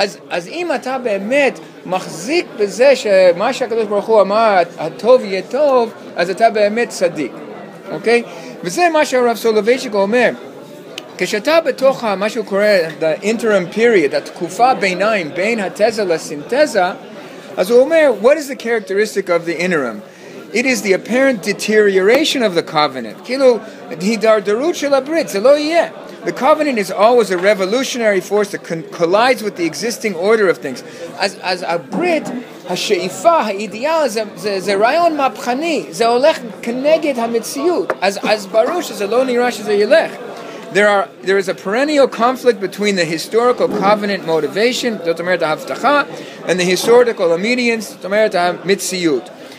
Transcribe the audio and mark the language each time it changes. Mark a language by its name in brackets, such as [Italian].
[Hebrew] אז אם אתה באמת מחזיק בזה שמה שהקדוש ברוך הוא אמר, הטוב יהיה טוב, אז אתה באמת צדיק, אוקיי? וזה מה שהרב סולובייצ'יק אומר, כשאתה בתוך מה שהוא קורא, [English] the interim period, [Hebrew] התקופה ביניים, בין התזה לסינתזה, אז הוא אומר, [English] what is the characteristic of the interim? It is the apparent deterioration of the covenant. [Hebrew] כאילו, הידרדרות של הברית, זה לא יהיה. [English] The covenant is always a revolutionary force that collides with the existing order of things. As a Brit, [Hebrew] השאיפה, האידיאל, זה רעיון מהפכני. זה הולך כנגד המציאות. אז ברור שזה לא נראה שזה ילך. [English] There is a perennial conflict between the historical covenant motivation, [Hebrew] זאת אומרת ההבטחה, [English] and the historical immediance, [Hebrew] זאת אומרת המציאות.